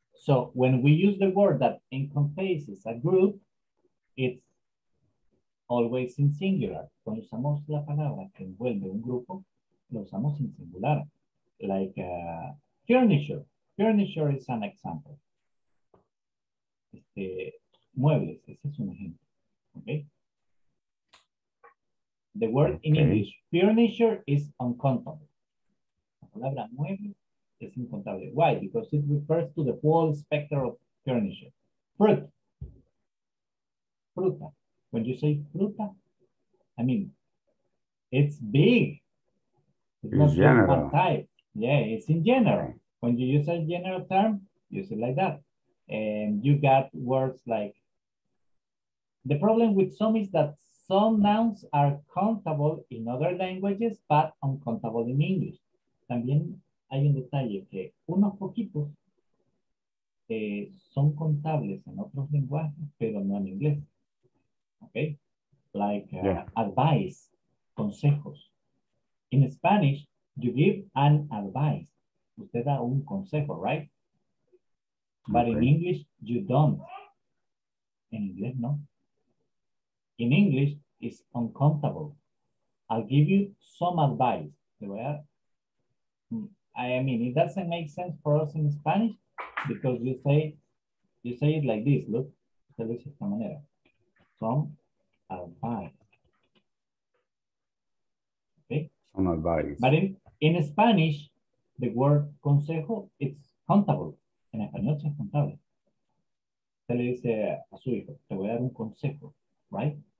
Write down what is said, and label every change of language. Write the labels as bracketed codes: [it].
[en] So when we use the word that encompasses a group, it's always in singular. [es] Cuando usamos la palabra que envuelve un grupo, lo usamos en singular. [en] Like furniture. Furniture is an example. [es] Muebles, ese es un ejemplo. Okay. [en] The word okay. In English, furniture is uncountable. [es] La palabra mueble es incontable. [en] Why? Because it refers to the whole spectrum of furniture. Fruit. Fruta. When you say fruta, I mean, it's big. It's not general. One type. Yeah, it's in general. When you use a general term, use it like that. And you got words like, the problem with some is that some nouns are countable in other languages, but uncountable in English. [es] También hay un detalle que unos poquitos son contables en otros lenguajes, pero no en inglés. [en] Okay? Like advice, consejos. In Spanish, you give an advice. [es] Usted da un consejo, [en] right? But okay. In English, you don't. In English, no. In English, it's uncountable. I'll give you some advice. It doesn't make sense for us in Spanish because you say it like this. [es] Look, usted dice esta manera. Some advice. [en] Okay? Some advice. But in Spanish, the word consejo, it's countable. [es] En español es contable. Usted le dice a su hijo, te voy a dar un consejo, right?